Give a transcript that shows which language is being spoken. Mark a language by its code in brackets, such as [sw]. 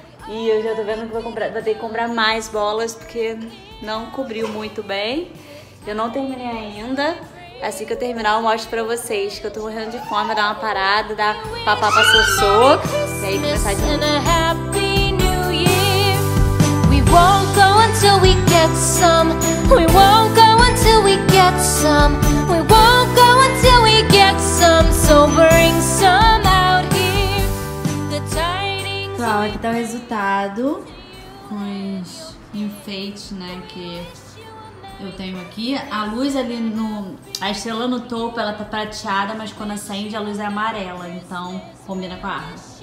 [pt] E eu já tô vendo que vou ter que comprar mais bolas, porque não cobriu muito bem. Eu não terminei ainda. Assim que eu terminar, eu mostro pra vocês que eu tô morrendo de fome, dar uma parada, dar papá pra Sossô. E aí começar de novo. [en] Happy New Year. We won't go until we get some. We won't go until we get some. We won't go until we get some. So bring some out here. The tidings. [pt] Pessoal, aqui tá o resultado. Com os enfeites, né? Que eu tenho aqui. A luz ali no. A estrela no topo, ela tá prateada, mas quando acende, a luz é amarela. Então combina com a árvore.